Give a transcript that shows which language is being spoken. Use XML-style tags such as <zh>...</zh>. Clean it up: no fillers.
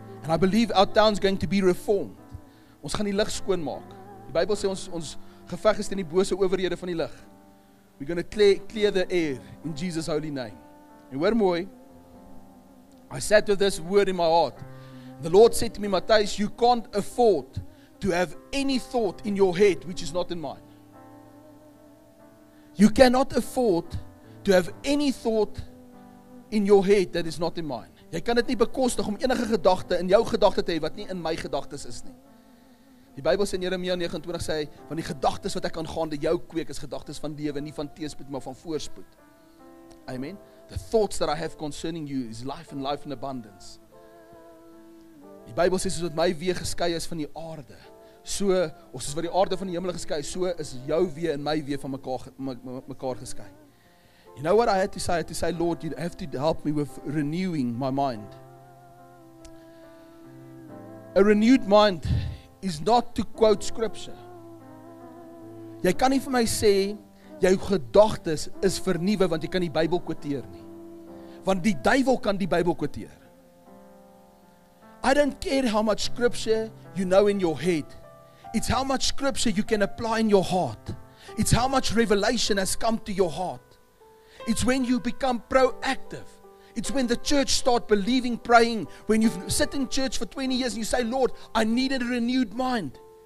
<en>And I believe our towns going to be reformed.</en> <af>Ons gaan die lig skoon maak. Die Bybel sê ons geveg is teen die bose owerhede van die lig.</af> <en>We're going to clear the air in Jesus' holy name.</en> <af>En hoor mooi.</af> <en>I sat with this word in my heart. The Lord said to me, Matthys, you can't afford to have any thought in your head which is not in mine. You cannot afford to have any thought in your head that is not in mine.</en> <af>Jy kan dit nie bekostig om enige gedagte in jou gedagte te hê wat nie in my gedagtes is nie. Die Bybel sê in Jeremia 29 sê hy, van die gedagtes wat ek aangaande jou kweek is gedagtes van lewe, nie van teëspoed maar van voorspoed. Amen.</af> <en>The thoughts that I have concerning you is life and life in abundance.</en> <af>Die Bybel sê soos wat my weë geskei is van die aarde, so, of soos wat die aarde van die hemel geskei, so is jou weer en my weer van mekaar geskei.</af> <en>You know what I had to say? I had to say, Lord, you have to help me with renewing my mind. A renewed mind is not to quote scripture.</en> <af>Jy kan nie vir my sê, jou gedagtes is vernuwe, want jy kan die Bybel kwoteer nie. Want die duivel kan die Bybel kwoteer.</af> <en>I don't care how much scripture you know in your head. It's how much scripture you can apply in your heart. It's how much revelation has come to your heart. It's when you become proactive. It's when the church start believing, praying. When you sit in church for 20 years and you say, Lord, I need a renewed mind.</en>